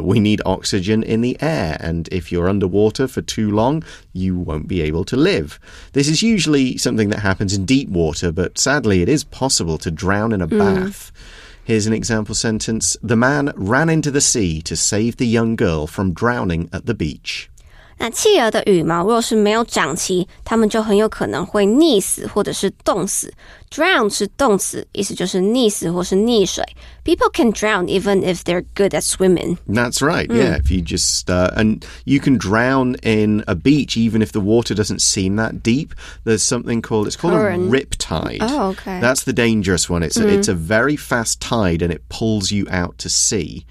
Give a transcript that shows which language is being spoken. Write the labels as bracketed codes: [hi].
[en] We need oxygen in the air, and if you're underwater for too long, you won't be able to live. This is usually something that happens in deep water, but sadly, it is possible to drown in a bath. Here's an example sentence. The man ran into the sea to save the young girl from drowning at the beach. [zh] 那企鹅的羽毛若是没有长齐，它们就很有可能会溺死或者是冻死。 Drown 是动词，意思就是溺死或是溺水。 [en] People can drown even if they're good at swimming. That's right, yeah. If you just, and you can drown in a beach even if the water doesn't seem that deep. There's something called, it's called current. A riptide. Oh, okay. That's the dangerous one. It's a very fast tide and it pulls you out to sea.